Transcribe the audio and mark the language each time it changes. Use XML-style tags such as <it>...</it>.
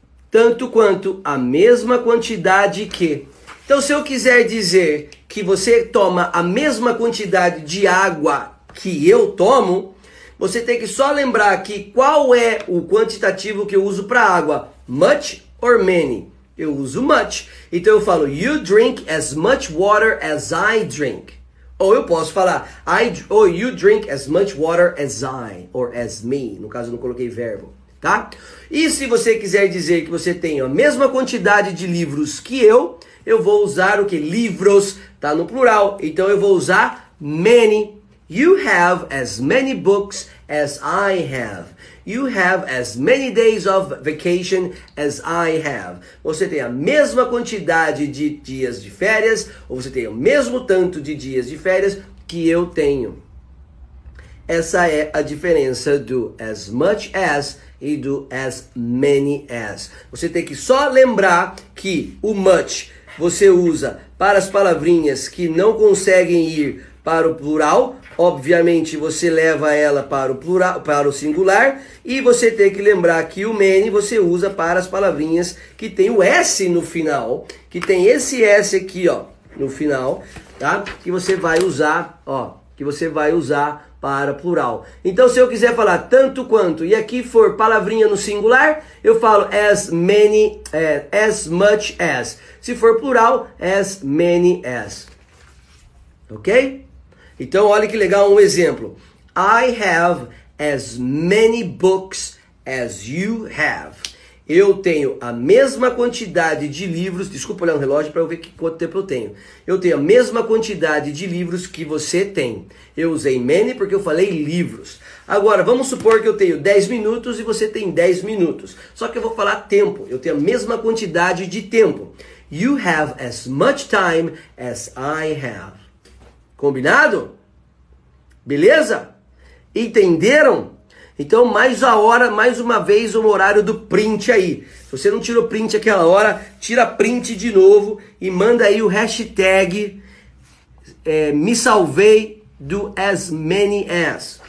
<pt>Tanto quanto a mesma quantidade que. Então, se eu quiser dizer que você toma a mesma quantidade de água que eu tomo, você tem que só lembrar aqui qual é o quantitativo que eu uso para água.</pt> <en>Much or many?</en> <pt>Eu uso</pt> <en>much.</en> <pt>Então, eu falo,</pt> <en>you drink as much water as I drink.</en> <pt>Ou eu posso falar,</pt> <en>you drink as much water as I, or as me.</en> <pt>No caso, eu não coloquei verbo. Tá? E se você quiser dizer que você tem a mesma quantidade de livros que eu vou usar o que? Livros, tá no plural. Então eu vou usar many.</pt> <en>You have as many books as I have. You have as many days of vacation as I have.</en> <pt>Você tem a mesma quantidade de dias de férias, ou você tem o mesmo tanto de dias de férias que eu tenho. Essa é a diferença do as much as e do as many as. Você tem que só lembrar que o much você usa para as palavrinhas que não conseguem ir para o plural. Obviamente, você leva ela para o plural, para o singular. E você tem que lembrar que o many você usa para as palavrinhas que tem o S no final. Que tem esse S aqui, ó, no final, tá? Que você vai usar, ó, que você vai usar para plural. Então, se eu quiser falar tanto quanto, e aqui for palavrinha no singular, eu falo as many, as much as. Se for plural, as many as. Ok? Então, olha que legal um exemplo.</pt> <en>I have as many books as you have.</en> <pt>Eu tenho a mesma quantidade de livros. Desculpa olhar no relógio para eu ver quanto tempo eu tenho. Eu tenho a mesma quantidade de livros que você tem. Eu usei many porque eu falei livros. Agora, vamos supor que eu tenho 10 minutos e você tem 10 minutos. Só que eu vou falar tempo. Eu tenho a mesma quantidade de tempo.</pt> <en>You have as much time as I have.</en> <pt>Combinado? Beleza? Entenderam? Então, mais a hora, mais uma vez, o horário do print aí. Se você não tirou print aquela hora, tira print de novo e manda aí o hashtag me salvei do as many as.</pt>